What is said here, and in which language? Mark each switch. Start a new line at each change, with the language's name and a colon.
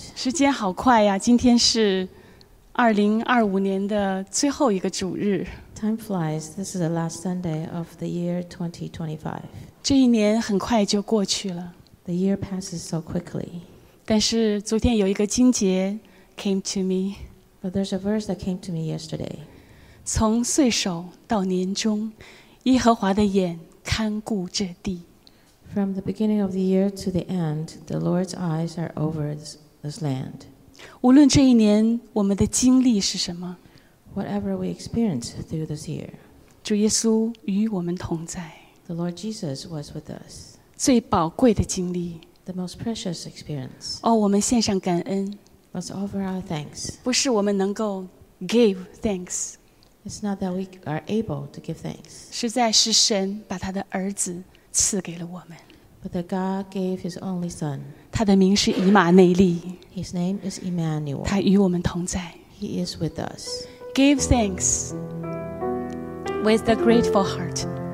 Chinese: 时间好快呀，今天是2025年的最后一个主日。
English: Time flies. This is the last Sunday of the year 2025.
Chinese: 这一年很快就过去了。
English: The year passes so quickly.
Chinese: 但是昨天有一个经节
English: came to me. But there's a verse that came to me yesterday.
Chinese: 从岁首到年终，耶和华的眼看顾这地。
English: From the beginning of the year to the end, the Lord's eyes are over this land.
Chinese: 无论这一年我们的经历是什么。
English: Whatever we experience through this year,
Chinese: 主耶稣与我们同在。
English: The Lord Jesus was with us.
Chinese: 最宝贵的经历。
English: The most precious experience.
Chinese: 哦，我们献上感恩。
English: Let's offer our thanks.
Chinese: 不是我们能够
English: give thanks. It's not that we are able to give thanks.
Chinese: 实在是神把他的儿子赐给了我们。
English: But that God gave His only Son.
Chinese: 他的名是以马内利。
English: His name is Emmanuel.
Chinese: 他与我们同在。
English: He is with us. Give thanks with a grateful heart.